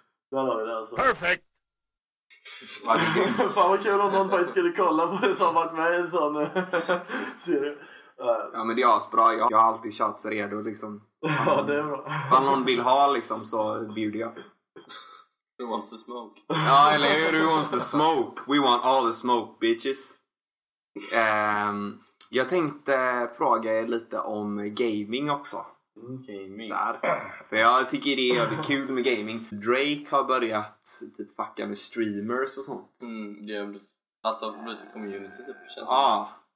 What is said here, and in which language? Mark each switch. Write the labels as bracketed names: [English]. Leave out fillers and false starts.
[Swedish] Där har vi det alltså. Perfekt! Fan vad kul om någon faktiskt skulle kolla på det som har varit med i en sån serie. Ja men det är asbra, jag har alltid kört så redo liksom. Ja det är bra. Fan någon vill ha liksom så bjuder jag. [English] Who wants the smoke? [Swedish] Ja eller hur, [English] who wants the smoke? We want all the smoke bitches. [Swedish] Jag tänkte fråga er lite om gaming också. Gaming. Där. För jag tycker det är kul med gaming. Drake har börjat typ fucka med streamers och sånt. Att de blir till community typ, känns det. Ah.